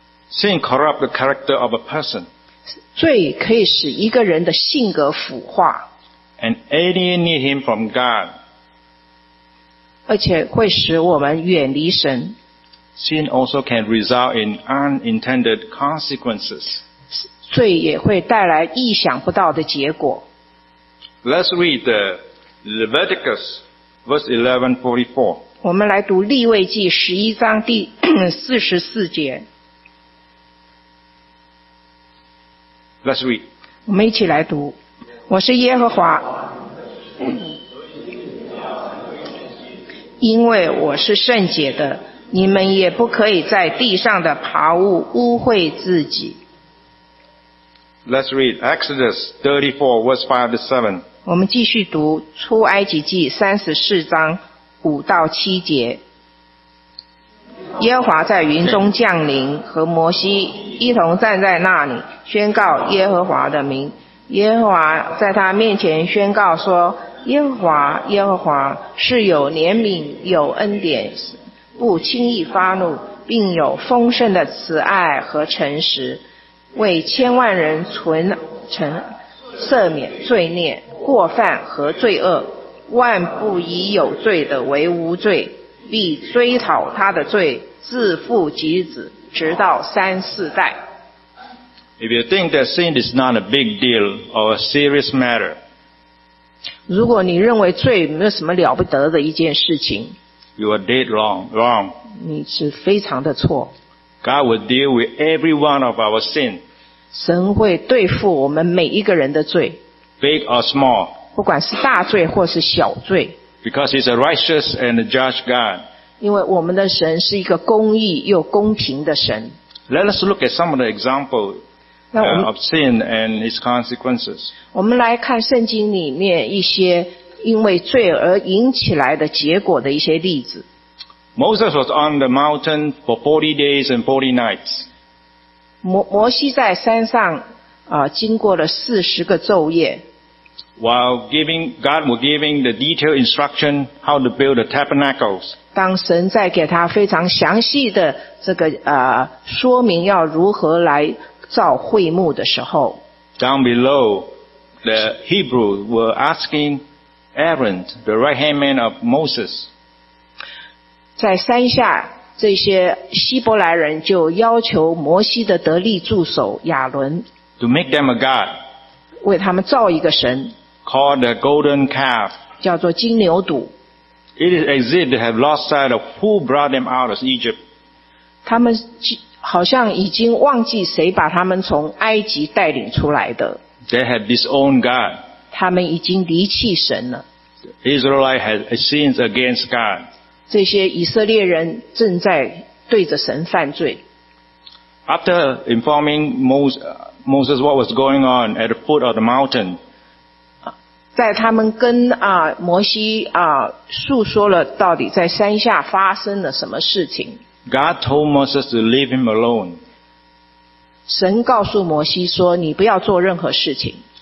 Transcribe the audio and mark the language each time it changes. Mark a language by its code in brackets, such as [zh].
[en] Sin corrupts the character of a person. [zh] 罪可以使一个人的性格腐化 [en] ，and alienate him from God， [zh] 而且会使我们远离神。 [en] Sin also can result in unintended consequences。 [zh] 罪也会带来意想不到的结果。 [en] Let's read Leviticus verse 11:44。 [zh] 我们来读利未记十一章第四十四节。 [en] Let's read. [zh] 我们一起来读。我是耶和华，因为我是圣洁的，你们也不可以在地上的爬物污秽自己。 [en] Let's read Exodus 34 verse 5 to 7. [zh] 我们继续读出埃及记三十四章五到七节。耶和华在云中降临，和摩西一同站在那里，宣告耶和华的名。耶和华在他面前宣告说：耶和华，耶和华是有怜悯、有恩典、不轻易发怒，并有丰盛的慈爱和诚实，为千万人赦免罪孽、过犯和罪恶，万不以有罪的为无罪，必追讨他的罪，自父及子，直到三四代。 [en] If you think that sin is not a big deal or a serious matter, [zh] 如果你认为罪没有什么了不得的一件事情， [en] you are dead wrong. [zh] 你是非常的错。 [en] God will deal with every one of our sin. [zh] 神会对付我们每一个人的罪， [en] big or small. [zh] 不管是大罪或是小罪。 [en] Because he's a righteous and a just God. [zh] 因为我们的神是一个公义又公平的神。 [en] Let us look at some of the examples of sin and its consequences. [zh] 我们来看圣经里面一些因为罪而引起来的结果的一些例子。 [en] Moses was on the mountain for 40 days and 40 nights. [zh] 摩西在山上经过了四十个昼夜。 [en] While giving, God was giving the detailed instruction how to build the tabernacles. [zh] 当神在给他非常详细的这个说明要如何来造会幕的时候。 [en] Down below, the Hebrews were asking Aaron, the right-hand man of Moses. [zh] 在山下，这些希伯来人就要求摩西的得力助手亚伦。 [en] To make them a God. [zh] 为他们造一个神。 [en] Called the golden calf. [zh] 叫做金牛犊。 [en] It is as if they have lost sight of who brought them out of Egypt. [zh] 他们好像已经忘记谁把他们从埃及带领出来的。 [en] They had disowned God. [zh] 他们已经离弃神了。 [en] Israelite had sinned against God. [zh] 这些以色列人正在对着神犯罪。 [en] After informing Moses what was going on at the foot of the mountain, [zh] 在他们跟啊摩西啊述说了到底在山下发生了什么事情。 [en] God told Moses to leave him alone. [zh] 神告诉摩西说你不要做任何事情。